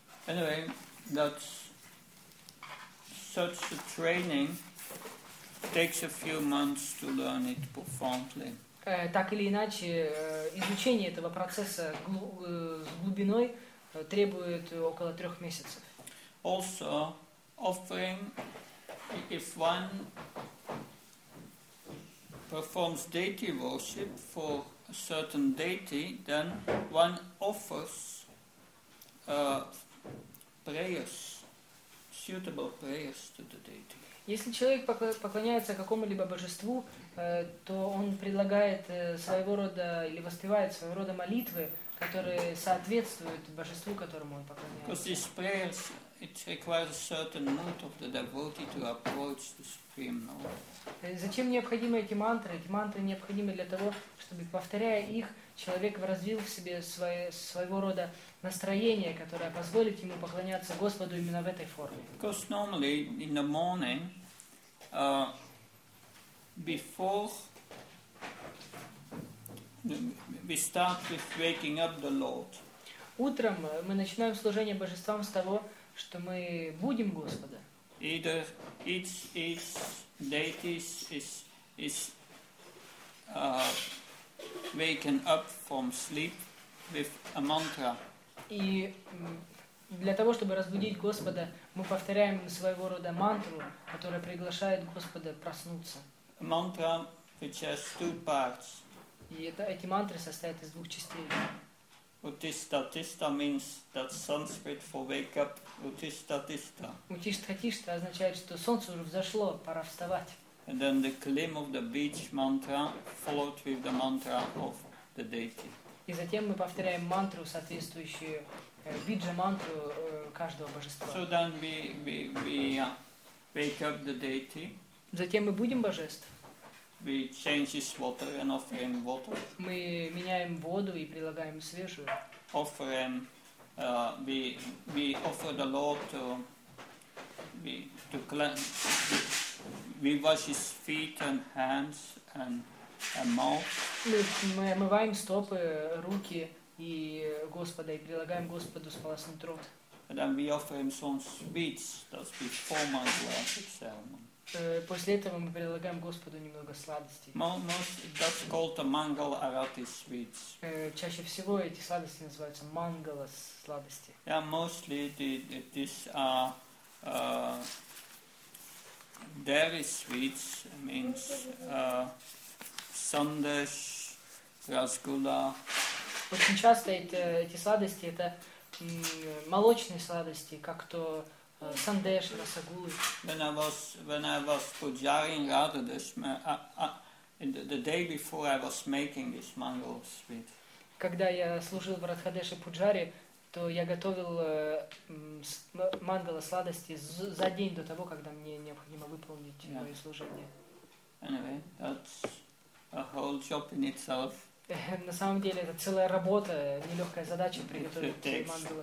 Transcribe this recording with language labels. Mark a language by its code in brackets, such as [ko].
[en] Anyway, that's such a training. It takes a few months to learn it profoundly. [ru] Так или иначе, изучение этого процесса с глубиной требует около 3 месяцев. [en] Also, offering, if one performs deity worship for a certain deity, then one offers prayers, suitable prayers to the deity. [ru] Если человек поклоняется какому-либо божеству, то он предлагает своего рода или воспевает своего рода молитвы, которые соответствуют божеству, которому он поклоняется. [en] Because these prayers, it requires a certain mood of the devotee to approach the Supreme Lord. [ru] Зачем необходимы эти мантры? Эти мантры необходимы для того, чтобы, повторяя их, человек развил в себе своего рода настроение, которое позволит ему поклоняться Господу именно в этой форме. [en] Because normally in the morning, before we start with waking up the Lord. [ru] Утром мы начинаем служение божествам с того, что мы будем Господа. [en] Either each deity is waken up from sleep with a mantra. [ru] И для того, чтобы разбудить Господа, мы повторяем своего рода мантру, которая приглашает Господа проснуться. [en] A mantra which has two parts. [ru] И эти мантры состоят из 2 частей. [en] Utistatista means that Sanskrit for wake up. [sa] Utistatista. [ru] Utistatista означает, что солнце уже взошло, пора вставать. [en] And then the claim of the beach mantra followed with the mantra of the deity. [ru] И затем мы повторяем мантру, соответствующую биджа мантру каждого божества. [en] So then we wake up the deity. [ru] Затем мы будем божеством. [en] We change his water and offer him water. [ru] Мы меняем воду и прилагаем свежую. [en] Offer him, we offer the Lord to be to cleanse. We wash his feet and hands and mouth. [ru] Мы омываем стопы, руки и Господа и прилагаем Господу сполоснуть рот. [en] And then we offer him some sweets, that's before my blessed ceremony. [ru] После этого мы предлагаем Господу немного сладостей. [en] That's called the mangala arati sweets. [ru] Чаще всего эти сладости называются мангала сладости. [en] Yeah, mostly these are dairy sweets, means sandesh, rasgulla. [ru] Очень часто эти сладости это молочные сладости, как то сандеш, расагулы. [en] When I was pujaring Radhadesh, the day before I was making this mango sweet. [ru] Когда я служил в Радхадеше Пуджаре, то я готовил мангала сладости за день до того, когда мне необходимо выполнить мое служение. [en] Anyway, that's a whole job in itself. [ru] На самом деле это целая работа, нелегкая задача приготовить мангала